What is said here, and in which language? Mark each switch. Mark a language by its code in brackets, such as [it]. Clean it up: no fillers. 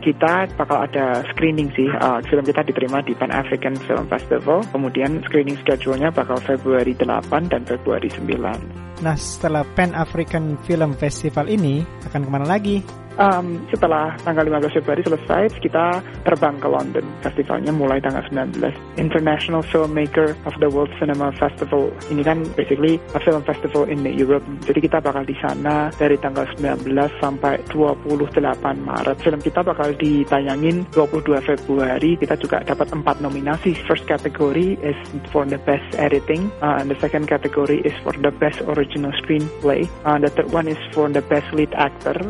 [id] Kita bakal ada screening sih, film kita diterima di Pan African Film Festival. Kemudian screening schedule-nya bakal Februari 8 dan Februari 9. Nah, setelah Pan African Film Festival ini, akan kemana lagi? Setelah tanggal 15 Februari selesai, kita terbang ke London. Festivalnya mulai tanggal 19. [en] International Filmmaker of the World Cinema Festival. [id] Ini kan [en] basically a film festival in Europe. [id] Jadi kita bakal di sana dari tanggal 19 sampai 28 Maret. Film kita bakal ditayangin 22 Februari. Kita juga dapat 4 nominasi. [en] First category is for the best editing. And the second category is for the best original screenplay. The third one is for the best lead actor.